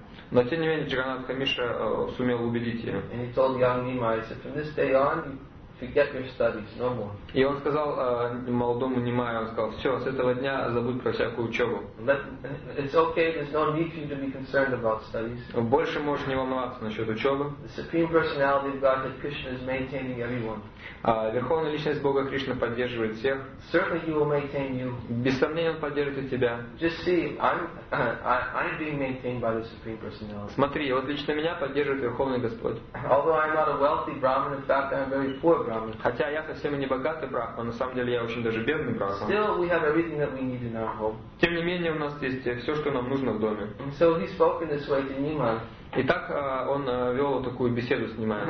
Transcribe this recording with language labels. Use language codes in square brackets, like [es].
[ru] Но тем не менее Джаганатха Миша сумел убедить ее. [en] And he told young Nima, he said, from this day on, you forget your studies, no more. [ru] И он сказал молодому Нимаю, он сказал: «Все, с этого дня забудь про всякую учебу. [en] It's okay, there's no need for you to be concerned about studies. [ru] Больше можешь не волноваться насчет учебы. [en] The supreme personality of Godhead Krishna is maintaining everyone. [ru] Верховная личность Бога Кришна поддерживает всех. [en] Certainly he will maintain you. [ru] Без сомнения, он поддержит и тебя. [en] Just see, I'm being maintained by the supreme personality. [ru] Смотри, вот лично меня поддерживает Верховный Господь. [en] Although I'm not a wealthy brahmin, in fact, I'm a very poor brahmin. [ru] Хотя я совсем не богатый брахман, на самом деле я очень даже бедный брахман. [en] Still, we have everything that we need in our home. [ru] Тем не менее, у нас есть все, что нам нужно в доме. [en] And so he spoke in this way to Nima. [ru] Итак, он вел такую беседу с Нима.